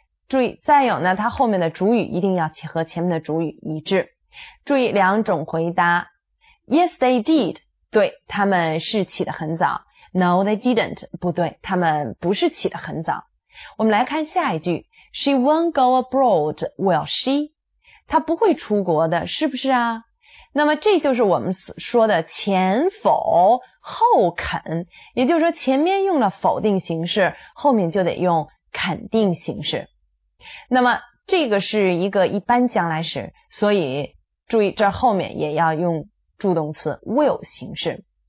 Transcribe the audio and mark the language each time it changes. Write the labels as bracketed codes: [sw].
[zh] 注意再有呢，它后面的主语一定要和前面的主语一致。注意两种回答， [en] Yes they did， [zh] 对，他们是起得很早。 [en] No they didn't， [zh] 不对，他们不是起得很早。我们来看下一句， [en] She won't go abroad, will she? [zh] 她不会出国的，是不是啊？那么这就是我们说的前否后肯，也就是说前面用了否定形式，后面就得用肯定形式。那么这个是一个一般将来时，所以注意这后面也要用助动词 will 形式。